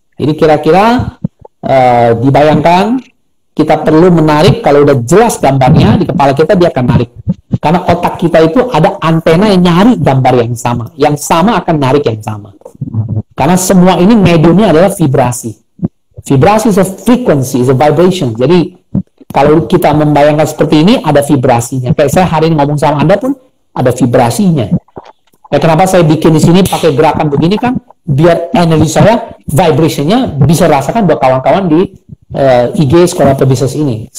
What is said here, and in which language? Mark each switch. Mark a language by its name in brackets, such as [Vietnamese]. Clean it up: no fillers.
[Indonesian] Jadi kira-kira dibayangkan kita perlu menarik, kalau udah jelas gambarnya di kepala kita dia akan narik. Karena otak kita itu ada antena yang nyari gambar yang sama. Yang sama akan narik yang sama. Karena semua ini mediumnya adalah vibrasi. [English] Vibrasi is a frequency, is a vibration. [Indonesian] Jadi kalau kita membayangkan seperti ini ada vibrasinya. Kayak saya hari ini ngomong sama Anda pun ada vibrasinya. Ya, kenapa saya bikin di sini pakai gerakan begini kan? Biar energi saya, vibrationnya bisa rasakan buat kawan-kawan di IG sekolah pebisnis ini.